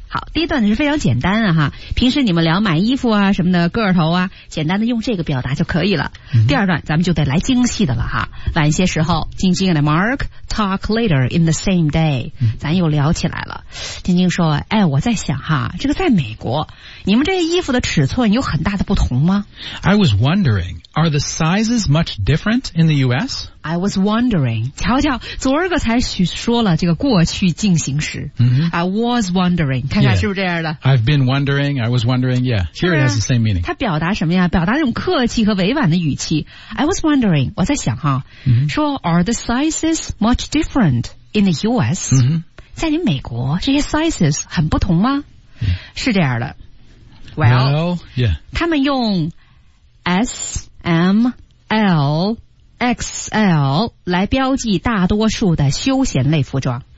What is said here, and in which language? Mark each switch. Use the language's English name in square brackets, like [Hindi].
[Chinese] 好，第一段是非常简单啊哈。平时你们聊买衣服啊什么的个头啊，简单的用这个表达就可以了。 Mm-hmm. 第二段咱们就得来精细的了哈。晚些时候晶晶的 [English] Mark talk later in the same day、 mm-hmm. [Chinese] 咱又聊起来了。晶晶说，哎，我在想哈，这个在美国你们这衣服的尺寸有很大的不同吗？ [English] I was wondering, are the sizes much different in the US? I was wondering, [Chinese] 瞧瞧昨儿个才说了这个过去进行时、 mm-hmm. [English] I was wondering, [Chinese] 看看是不是这样的、 [English] yeah. I've been wondering, I was wondering, yeah, here it has the same meaning. [Chinese] 它表达什么呀？表达那种客气和委婉的语气。 [English] I was wondering, [Chinese] 我在想哈、 mm-hmm. [English] 说 are the sizes much different in the US?、 Mm-hmm. [Chinese] 在你美国这些 sizes 很不同吗、 [English] yeah. [Chinese] 是这样的。 [English] Well, no, yeah. [Chinese] 他们用 SMLXL 来标记大多数的休闲类服装。